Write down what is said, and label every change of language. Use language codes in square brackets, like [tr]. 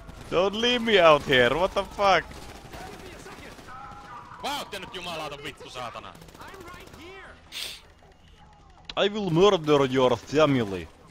[en] Don't leave me out here, what the fuck? [fi] Mä oon tehnyt jumalauta vittu saatana. [en] I will murder your family.